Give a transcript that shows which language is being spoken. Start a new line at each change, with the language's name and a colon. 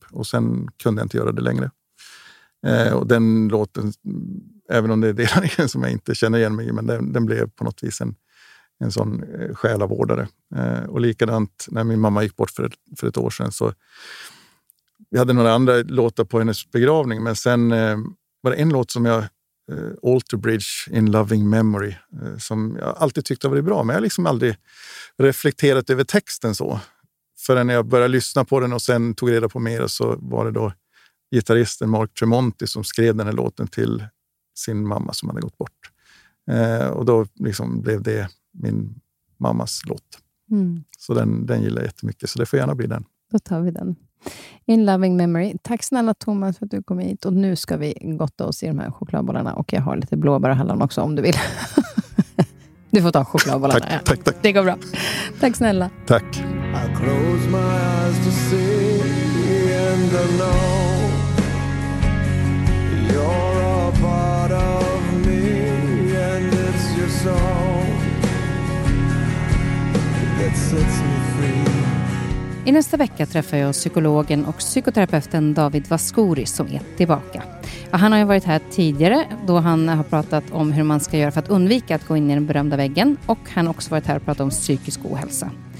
Swedish: Och sen kunde jag inte göra det längre. Och den låten, även om det är delar som jag inte känner igen mig i, men den blev på något vis en sån själavårdare. Och likadant när min mamma gick bort för ett år sedan. Så vi hade några andra låtar på hennes begravning. Men sen var det en låt som jag... Alter Bridge in Loving Memory. Som jag alltid tyckte var bra. Men jag har liksom aldrig reflekterat över texten så. Förrän jag började lyssna på den och sen tog reda på mer. Så var det då gitarristen Mark Tremonti som skrev den här låten till sin mamma som hade gått bort. Och då liksom blev det... min mammas låt. Mm. Så den gillar jag jättemycket. Så det får gärna bli den. Då tar vi den. In Loving Memory. Tack snälla Thomas för att du kom hit. Och nu ska vi gotta oss i de här chokladbollarna. Och jag har lite blåbär och hallon också om du vill. Du får ta chokladbollarna. Tack, tack, tack. Det går bra. Tack snälla. Tack.
English: I close my eyes to see and I know you're a part of me and it's your soul.
Swedish: I nästa vecka träffar jag psykologen och psykoterapeuten David Vaskori som är tillbaka. Han har ju varit här tidigare då han har pratat om hur man ska göra för att undvika att gå in i den berömda väggen, och han har också varit här och pratat om psykisk ohälsa.